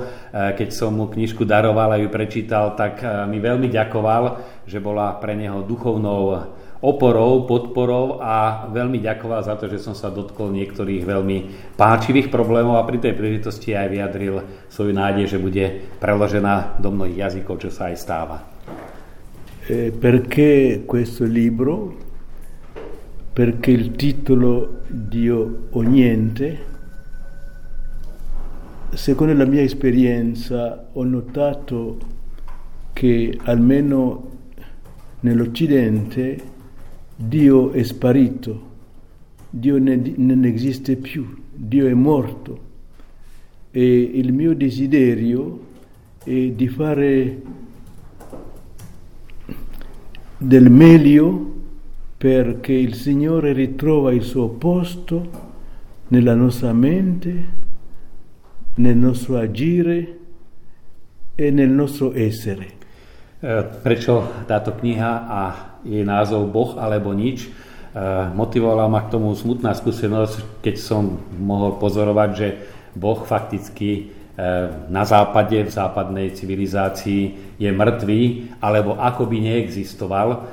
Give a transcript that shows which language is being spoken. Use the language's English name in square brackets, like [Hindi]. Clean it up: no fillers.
[Slovak] Keď som mu knižku daroval a ju prečítal, tak mi veľmi ďakoval, že bola pre neho duchovnou oporou, podporou a veľmi ďakoval za to, že som sa dotkol niektorých veľmi páčivých problémov a pri tej príležitosti aj vyjadril svoju nádej, že bude preložená do mnohých jazykov, čo sa aj stáva. [Italian] Perché questo libro? Perché il titolo Dio o niente? Secondo la mia esperienza ho notato che almeno nell'Occidente Dio è sparito, Dio non esiste più, Dio è morto. E il mio desiderio è di fare del meglio perché il Signore ritrova il suo posto nella nostra mente, nel nostro agire e nel nostro essere. [Slovak] Prečo táto kniha a jej názov Boh alebo nič? Motivovala ma k tomu smutná skúsenosť, keď som mohol pozorovať, že Boh fakticky na západe, v západnej civilizácii je mŕtvý, alebo akoby neexistoval.